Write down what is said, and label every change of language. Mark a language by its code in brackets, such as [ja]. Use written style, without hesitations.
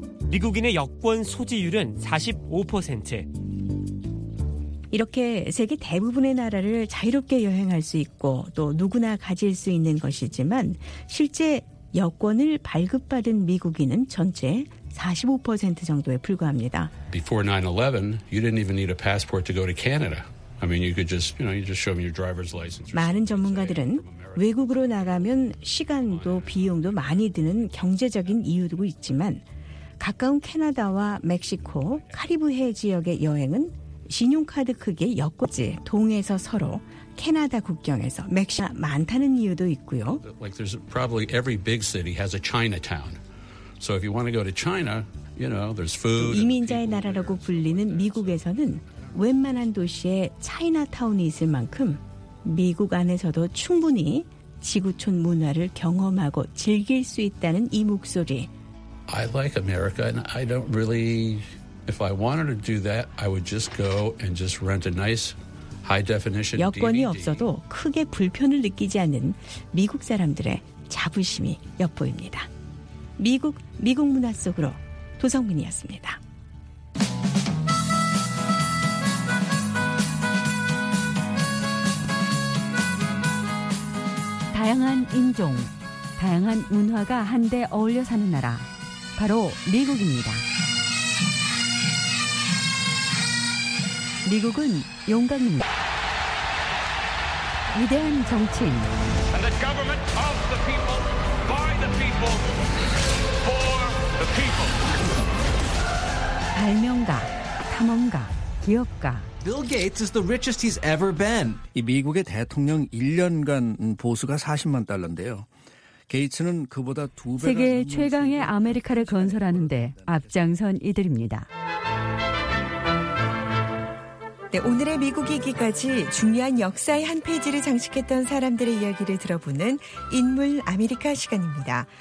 [ko] 미국인의 여권 소지율은 45%. 이렇게 세계 대부분의 나라를 자유롭게 여행할 수 있고 또 누구나 가질 수 있는 것이지만 실제 여권을 발급받은 미국인은 전체 45% 정도에 불과합니다. [en] Before 9/11, you didn't even need a passport to go to Canada. I mean, you could just, you know, you just show me your driver's license. [ko] 많은 전문가들은 외국으로 나가면 시간도 비용도 많이 드는 경제적인 이유도 있지만 가까운 캐나다와 멕시코, 카리브해 지역의 여행은 신용카드 크기의 여권지 동에서 서로 캐나다 국경에서 멕시코가 많다는 이유도 있고요. [en] Like there's probably every big city has a Chinatown. So if you want to go to China, you know, there's food. [ko] 이민자의 나라라고 불리는 미국에서는 웬만한 도시에 차이나타운이 있을 만큼 미국 안에서도 충분히 지구촌 문화를 경험하고 즐길 수 있다는 이 목소리. [en] I like America and I don't really if I wanted to do that, I would just go and just rent a nice high definition DVD. [ko] 여권이 없어도 크게 불편을 느끼지 않는 미국 사람들의 자부심이 엿보입니다. 미국 문화 속으로 도성민이었습니다. 다양한 인종, 다양한 문화가 한데 어울려 사는 나라, 바로 미국입니다. 미국은 용감입니다. 위대한 정치인. [en] And the government of the people, by the people, for the people. [ko] 발명가, 탐험가, 기업가. [en] Bill Gates is the richest he's ever been. [ko] 이 미국의 대통령 1년간 보수가 40만 달러인데요. 게이츠는 그보다 두 배가 세계 최강의 아메리카를 건설하는데 앞장선 이들입니다. 네, 오늘의 미국 얘기까지 중요한 역사의 한 페이지를 장식했던 사람들의 이야기를 들어보는 인물 아메리카 시간입니다.